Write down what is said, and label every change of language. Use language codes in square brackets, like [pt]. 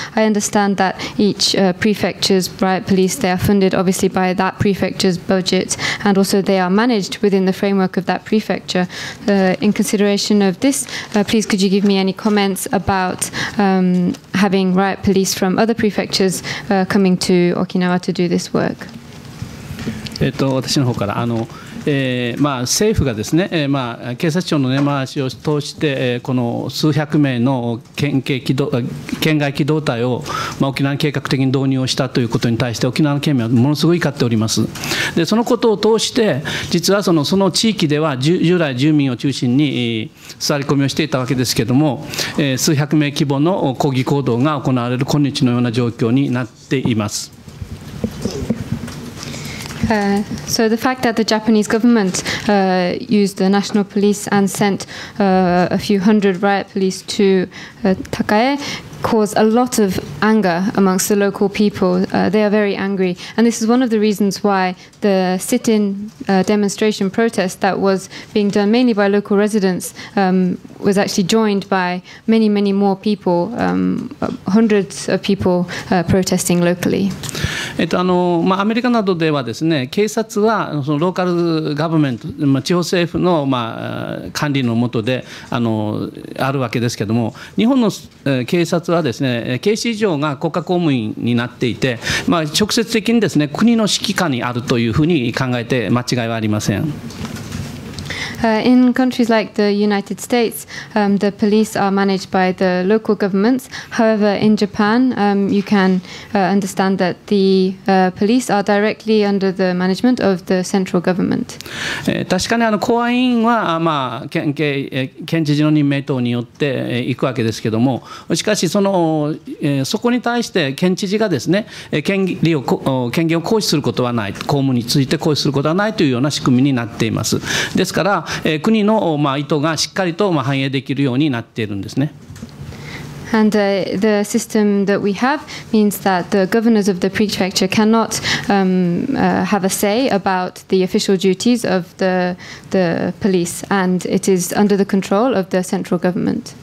[en] I understand that each prefecture's riot police, they are funded obviously by that prefecture's budget, and also they are managed within the framework of that prefecture. In consideration of this, please could you give me any comments about having riot police from other prefectures coming to Okinawa to do this work? [ja] 私の方から、あのまあ、政府がですね、まあ、警察庁の根回しを通して、この数百名の県外機動隊を、まあ、沖縄計画的に導入をしたということに対して沖縄県民はものすごい怒っております。でそのことを通して実はその地域では従来住民を中心に座り込みをしていたわけですけれども、数百名規模の抗議行動が行われる今日のような状況になっています。 [en] So the fact that the Japanese government used the national police and sent a few hundred riot police to Takae caused a lot of anger amongst the local people. They are very angry. And this is one of the reasons why the sit-in demonstration protest that was being done mainly by local residents was actually joined by many, many more people, hundreds of people protesting locally. [ja] まあ、アメリカなどではですね、警察はそのローカルガバメント、まあ、地方政府の、まあ、管理のもとで あるわけですけども、日本の警察はですね、警視庁が国家公務員になっていて、まあ、直接的にですね、国の指揮下にあるというふうに考えて間違いはありません。 [en] In countries like the United States, the police are managed by the local governments. However, in Japan, you can understand that the police are directly under the management of the central government. [ja] 確かに公安委員は、まあ、県知事の任命等によって行くわけですけれども、しかしそこに対して県知事がですね、権限を行使することはない、公務について行使することはないというような仕組みになっています。ですから国の意図がしっかりと反映できるようになっているんですね。 [en] And the system that we have means that the governors of the prefecture cannot have a say about the official duties of the police, and it is under the control of the central government.